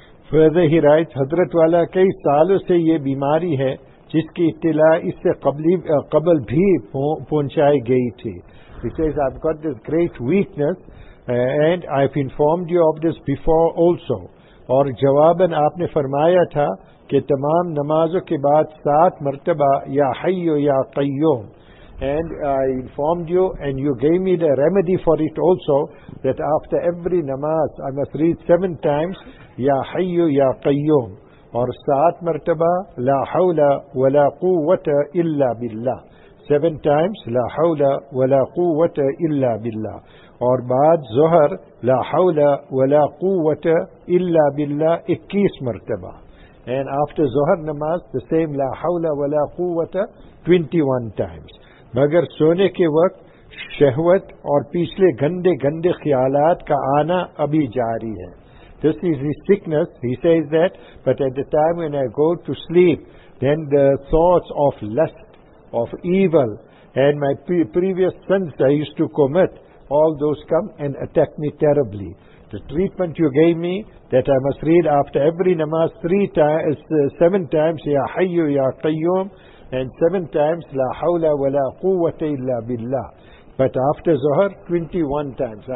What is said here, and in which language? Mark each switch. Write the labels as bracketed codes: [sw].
[en] Further he writes, [ur] حضرت والا کئی سالوں سے یہ بیماری ہے جس کی اطلاع اس سے قبل بھی پہنچائی گئی تھی. [en] He says, I've got this great weakness and I've informed you of this before also. [ur] اور جواباً آپ نے فرمایا تھا کہ تمام نمازوں کے بعد سات مرتبہ یا حیو یا قیوم. [en] And I informed you and you gave me the remedy for it also, that after every namaz I must read 7 times Ya Hayyu Ya Qayyum, or 7 martaba La Hawla Wa La Quwwata Illa Billah, 7 times La Hawla Wa La Quwwata Illa Billah, or Baad Zuhar La Hawla Wa La Quwwata Illa Billah 21 martaba, and after Zuhar namaz the same La Hawla Wa La Quwwata 21 times. [ur] مگر سونے کے وقت شہوت اور پچھلے گندے گندے خیالات کا آنا ابھی جاری ہے. [en] This is his sickness, he says that, but at the time when I go to sleep, then the thoughts of lust, of evil, and my previous sins I used to commit, all those come and attack me terribly. The treatment you gave me, that I must read after every namaz 7 times, Ya Hayyu Ya Qayyum, and 7 times La Hawla Wa La Quwwata Illa Billah, but after Zuhar 21 times.